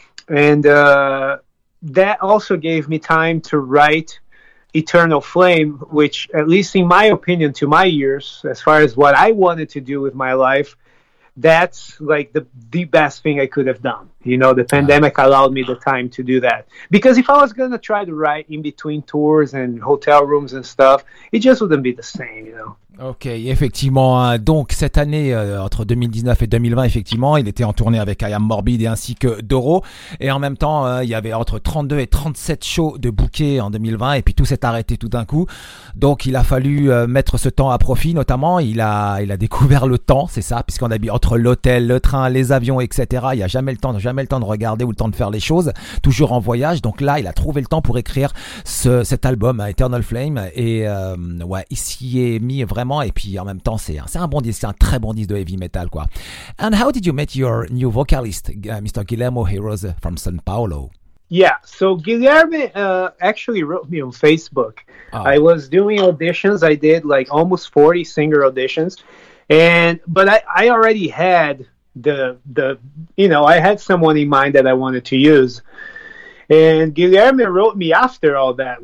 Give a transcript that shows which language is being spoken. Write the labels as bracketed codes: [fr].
[en] And that also gave me time to write Eternal Flame, which, at least in my opinion, to my ears, as far as what I wanted to do with my life, that's like the best thing I could have done. You know, the pandemic allowed me the time to do that. Because if I was going to try to write in between tours and hotel rooms and stuff, it just wouldn't be the same, you know. [fr] Ok, effectivement, donc cette année, entre 2019 et 2020, effectivement, il était en tournée avec I Am Morbid et ainsi que Doro, et en même temps, il y avait entre 32 et 37 shows de bouquets en 2020, et puis tout s'est arrêté tout d'un coup, donc il a fallu mettre ce temps à profit, notamment, il a découvert le temps, c'est ça, puisqu'on a mis entre l'hôtel, le train, les avions, etc., il n'y a jamais le temps de regarder ou le temps de faire les choses, toujours en voyage, donc là, il a trouvé le temps pour écrire cet album, Eternal Flame, et ouais, il s'y est mis vraiment, et puis en même temps, c'est un bon disque, c'est un très bon disque de heavy metal, quoi. [en] And how did you meet your new vocalist, Mr. Guillermo Heroes from São Paulo? Yeah, so Guillermo actually wrote me on Facebook. Oh. I was doing auditions. I did like almost 40 singer auditions, but I already had I had someone in mind that I wanted to use, and Guillermo wrote me after all that.